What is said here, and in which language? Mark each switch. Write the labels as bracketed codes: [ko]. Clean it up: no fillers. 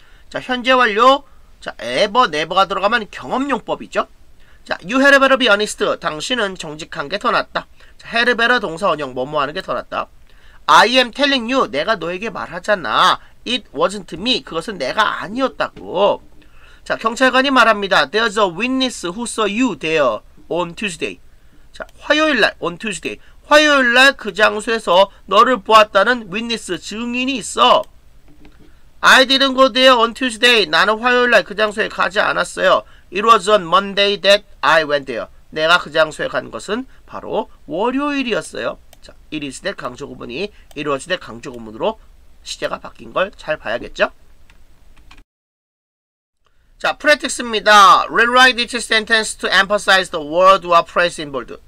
[ko] 자, 현재 완료. 자, ever, never가 들어가면 경험용법이죠. [en] 자, you had better be honest. [ko] 당신은 정직한 게 더 낫다. 자, [en] had better [ko] 동사 원형, 뭐뭐 하는 게 더 낫다. [en] I am telling you. [ko] 내가 너에게 말하잖아. [en] It wasn't me. [ko] 그것은 내가 아니었다고. 자, 경찰관이 말합니다. [en] There's a witness who saw you there on Tuesday. [ko] 자, 화요일날, [en] on Tuesday. [ko] 화요일날 그 장소에서 너를 보았다는 witness, 증인이 있어. [en] I didn't go there on Tuesday. [ko] 나는 화요일날 그 장소에 가지 않았어요. [en] It was on Monday that I went there. [ko] 내가 그 장소에 간 것은 바로 월요일이었어요. 자, [en] it is that [ko] 강조구문이 [en] it was that [ko] 강조구문으로 시제가 바뀐 걸 잘 봐야겠죠? 자, 프레텍스입니다. [en] Rewrite each sentence to emphasize the word or phrase in bold.